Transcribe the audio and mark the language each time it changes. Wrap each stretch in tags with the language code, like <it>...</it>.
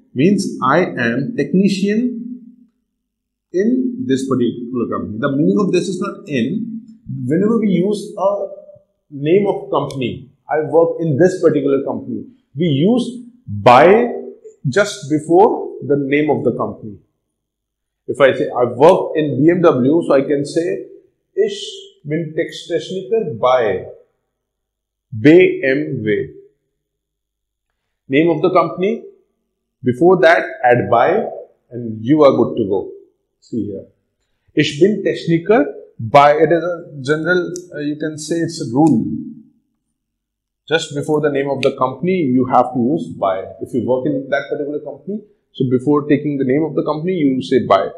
<en>Means I am technician in this particular company. The meaning of this is not in. Whenever we use a name of company, I work in this particular company, we use by just before the name of the company. If I say I work in BMW, so I can say</en> <de>Ich bin Techniker bei BMW.</de> <en>Name of the company, before that add by and you are good to go. See here,</en> <de>Ich bin Techniker bei,</de> <en>it is a general, you can say it's a rule. Just before the name of the company, you have to use by. If you work in that particular company, so before taking the name of the company, you say by.</en>